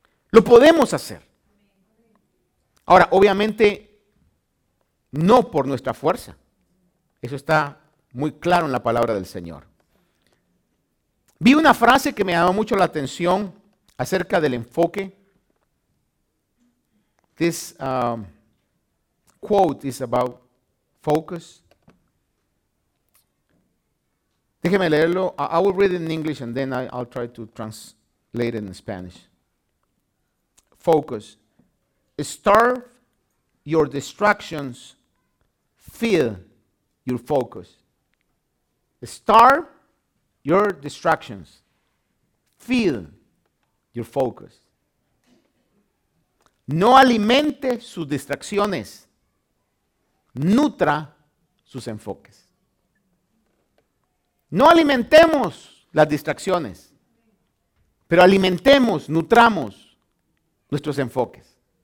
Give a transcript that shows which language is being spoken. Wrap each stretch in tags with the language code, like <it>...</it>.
<es>Lo podemos hacer. Ahora, obviamente, no por nuestra fuerza. Eso está muy claro en la palabra del Señor. Vi una frase que me llamó mucho la atención acerca del enfoque.</es> <en>This quote is about focus.</en> <es>Déjeme leerlo.</es> <en>I will read it in English and then I'll try to translate it in Spanish. Focus. Starve your distractions. Feed your focus. Starve your distractions. Feed your focus.</en> <es>No alimente sus distracciones. Nutra sus enfoques. No alimentemos las distracciones, pero alimentemos, nutramos nuestros enfoques.</es>